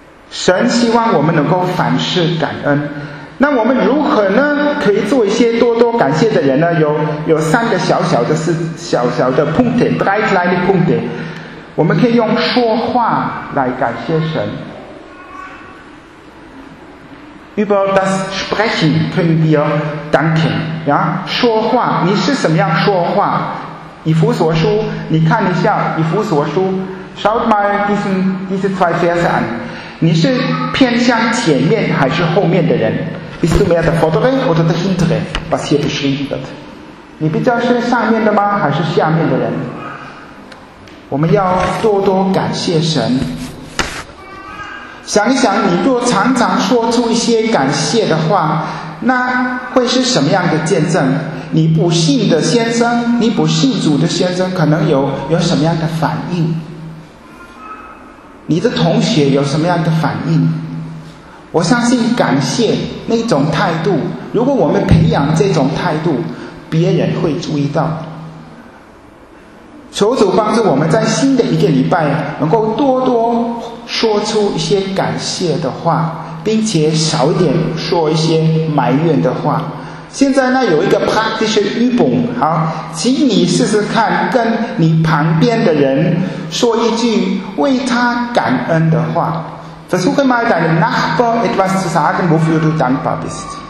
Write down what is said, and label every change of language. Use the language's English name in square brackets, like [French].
[Chinese] 神希望我们能够凡事感恩。那我们如何呢可以做一些多多感谢的人呢？有三个小小的事，小小的 [German] drei kleine Punkte。 [Chinese] 我们可以用说话来感谢神。 [German] Über das Sprechen können wir danken， [Chinese] 说话，你是什么样说话？以弗所书，你看一下以弗所书， [German] Schaut mal diese zwei Verse an， [Chinese] 你是偏向前面还是后面的人？ [German] Bist du mehr der vordere oder der hintere, was hier beschrieben wird? [Chinese] 你比较是上面的吗？还是下面的人？我们要多多感谢神。想一想，你若常常说出一些感谢的话，那会是什么样的见证？你不信的先生，你不信主的先生，可能有什么样的反应？你的同学有什么样的反应？我相信感谢那种态度，如果我们培养这种态度，别人会注意到。求主帮助我们在新的一个礼拜能够多多说出一些感谢的话，并且少一点说一些埋怨的话。现在呢，有一个 practice 预备，好，请你试试看跟你旁边的人说一句为他感恩的话。 [German] Versuche mal deinem Nachbar etwas zu sagen, wofür du dankbar bist.